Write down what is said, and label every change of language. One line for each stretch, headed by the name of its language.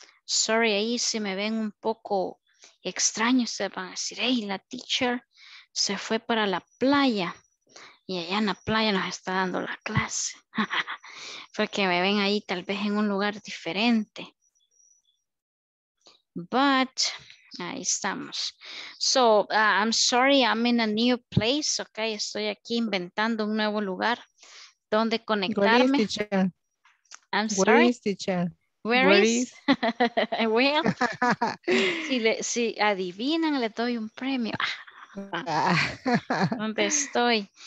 Spanish: Sorry, ahí se me ven un poco extraño, se van a decir, hey, la teacher se fue para la playa y allá en la playa nos está dando la clase. Porque me ven ahí tal vez en un lugar diferente.
English: But
Spanish: ahí estamos.
English: So, I'm sorry, I'm in a new place, okay?
Spanish: Estoy aquí inventando un nuevo lugar donde conectarme.
English: Where is teacher? I'm sorry. Where is teacher? Where is? Well,
Spanish: si adivinan, le doy un premio. ¿Dónde estoy?